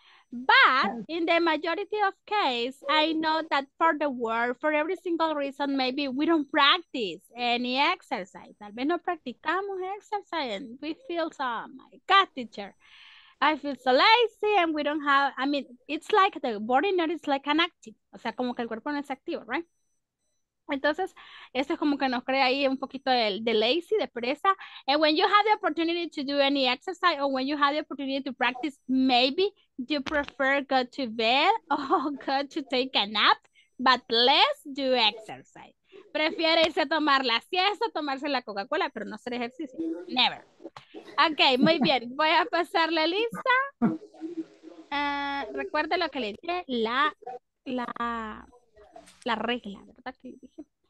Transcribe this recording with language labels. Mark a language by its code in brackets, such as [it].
[en] But in the majority of cases, I know that for the world, for every single reason, maybe we don't practice any exercise. [es] Tal vez no practicamos [en] exercise and we feel so, oh my God, teacher, I feel so lazy and we don't have, I mean, it's like the body not is like an active. [es] O sea, como que el cuerpo no es activo, right? Entonces, esto es como que nos crea ahí un poquito de lazy, de pereza. [en] And when you have the opportunity to do any exercise or when you have the opportunity to practice, maybe you prefer go to bed or go to take a nap, but less do exercise. [es] Prefiere irse a tomar la siesta, tomarse la Coca-Cola, pero no hacer ejercicio. Never. Okay, muy bien. Voy a pasar la lista. Recuerde lo que le dije, la regla, ¿verdad? Que dije.